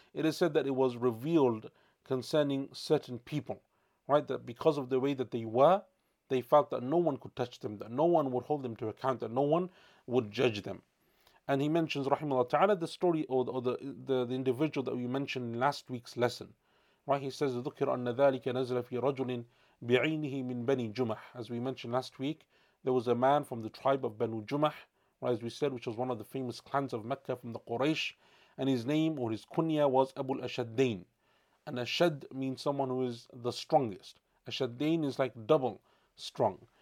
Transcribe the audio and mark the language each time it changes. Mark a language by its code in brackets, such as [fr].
[en] It is said that it was revealed concerning certain people, right? That because of the way that they were, they felt that no one could touch them, that no one would hold them to account, that no one would judge them. And he mentions, rahimahullah ta'ala, the story or the individual that we mentioned in last week's lesson. Right, he says, [ar] ذُكِرْ أَنَّ ذَٰلِكَ نَزْلَ فِي رَجُلٍ بِعِينِهِ مِنْ بَنِي جُمَحٍ. [en] As we mentioned last week, there was a man from the tribe of Banu Jumah, right, as we said, which was one of the famous clans of Mecca from the Quraysh, and his name or his kunya was Abu al-Ashaddain. And Ashad means someone who is the strongest. Ashaddain is like double strong.